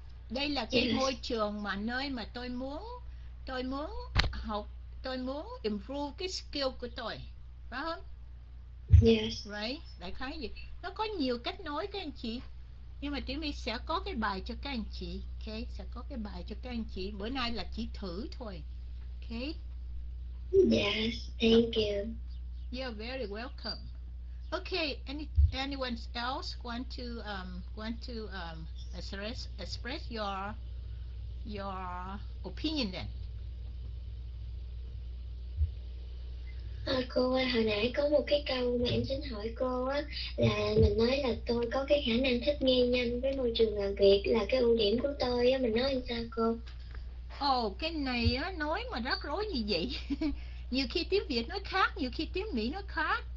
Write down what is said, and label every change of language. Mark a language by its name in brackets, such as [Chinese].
[Vietnamese] Đây là cái môi trường mà nơi mà tôi muốn học, tôi muốn improve cái skill của tôi, phải không? [English] Yes. [Vietnamese] Right. Đại khái gì? Nó có nhiều cách nói các anh chị, nhưng mà Tiểu My sẽ có cái bài cho các anh chị, ok? Sẽ có cái bài cho các anh chị. Bữa nay là chỉ thử thôi, ok? [English] Yes. Thank you. You're very welcome. Okay, anyone else want to express your opinion then? [Vietnamese] Cô ơi, hồi nãy có một cái câu mà em xin hỏi cô á, là mình nói là tôi có cái khả năng thích nghi nhanh với môi trường làm việc là cái ưu điểm của tôi á, mình nói làm sao cô? Cái này á nói mà rắc rối như vậy. Nhiều khi tiếng Việt nó khác, nhiều khi tiếng Mỹ nó khác.